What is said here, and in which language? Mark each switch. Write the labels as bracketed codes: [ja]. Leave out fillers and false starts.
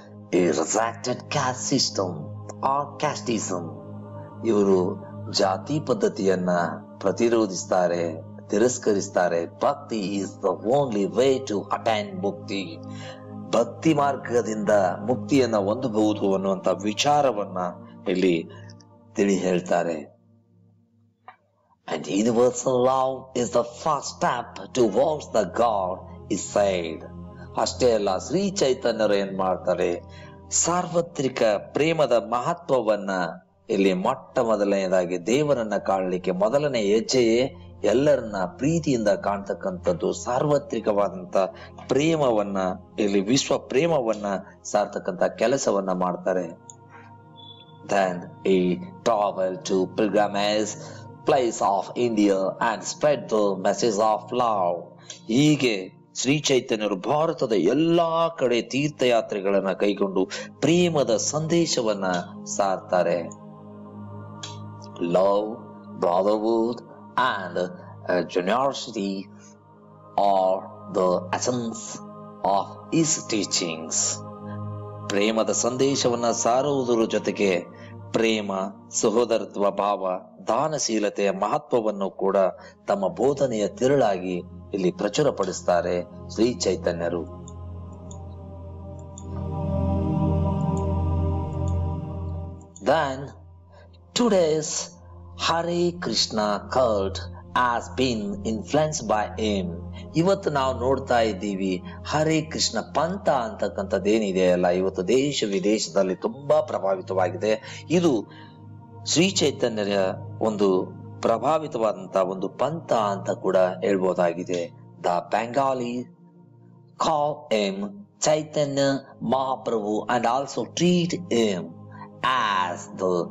[en] He rejected caste system or casteism. [kn] ಇವರು ಜಾತಿ ಪದ್ಧತಿಯನ್ನ ಪ್ರತಿರೋಧಿಸ್ತಾರೆ, ತಿರಸ್ಕರಿಸ್ತಾರೆ. [en] Bhakti is the only way to attain mukti. [kn] ಭಕ್ತಿ ಮಾರ್ಗದಿಂದ ಮುಕ್ತಿಯನ್ನ ಹೊಂದಬಹುದು ಅನ್ನುವಂತ ವಿಚಾರವನ್ನ ಇಲ್ಲಿ ತಿಳಿ ಹೇಳ್ತಾರೆ. [en] And universal love is the first step towards the God is said. [kn] ಅಷ್ಟೇ ಅಲ್ಲ, ಶ್ರೀ ಚೈತನ್ಯರು ಏನ್ ಮಾಡ್ತಾರೆ, ಸಾರ್ವತ್ರಿಕ ಪ್ರೇಮದ ಮಹತ್ವವನ್ನ ಇಲ್ಲಿ ಮೊಟ್ಟ ಮೊದಲನೆಯದಾಗಿ ದೇವರನ್ನ ಕಾಣಲಿಕ್ಕೆ ಮೊದಲನೇ ಹೆಜ್ಜೆಯೇ ಎಲ್ಲರನ್ನ ಪ್ರೀತಿಯಿಂದ ಕಾಣ್ತಕ್ಕಂಥದ್ದು ಸಾರ್ವತ್ರಿಕವಾದಂತ ಪ್ರೇಮವನ್ನ ಇಲ್ಲಿ ವಿಶ್ವ ಪ್ರೇಮವನ್ನ ಸಾರ್ತಕ್ಕಂತ ಕೆಲಸವನ್ನ ಮಾಡ್ತಾರೆ. [en] Then he traveled to pilgrimage place of India and spread the message of love. [kn] ಹೀಗೆ ಶ್ರೀ ಚೈತನ್ಯರು ಭಾರತದ ಎಲ್ಲಾ ಕಡೆ ತೀರ್ಥಯಾತ್ರೆಗಳನ್ನ ಕೈಗೊಂಡು ಪ್ರೇಮದ ಸಂದೇಶವನ್ನ ಸಾರ್ತಾರೆ. [en] Love, brotherhood and generosity are the essence of his teachings. [kn] ಪ್ರೇಮದ ಸಂದೇಶವನ್ನ ಸಾರುವುದರ ಜೊತೆಗೆ ಪ್ರೇಮ, ಸಹೋದರತ್ವ ಭಾವ, ದಾನಶೀಲತೆಯ ಮಹತ್ವವನ್ನು ಕೂಡ ತಮ್ಮ ಬೋಧನೆಯ ತಿರುಳಾಗಿ ಇಲ್ಲಿ ಪ್ರಚುರಪಡಿಸ್ತಾರೆ Shri ಚೈತನ್ಯರು. [en] Then today's Hare Krishna cult has been influenced by him. [kn] ಇವತ್ತು ನಾವು ನೋಡ್ತಾ ಇದ್ದೀವಿ ಹರೇ ಕೃಷ್ಣ ಪಂಥ ಅಂತಕ್ಕಂಥದ್ದು ಏನಿದೆ ಅಲ್ಲ, ಇವತ್ತು ದೇಶ ವಿದೇಶದಲ್ಲಿ ತುಂಬಾ ಪ್ರಭಾವಿತವಾಗಿದೆ. ಇದು ಶ್ರೀ ಚೈತನ್ಯರ ಒಂದು ಪ್ರಭಾವಿತವಾದಂತ ಒಂದು ಪಂಥ ಅಂತ ಕೂಡ ಹೇಳ್ಬೋದಾಗಿದೆ. [en] the Bengali call M ಚೈತನ್ಯ ಮಹಾಪ್ರಭು and also treat M as the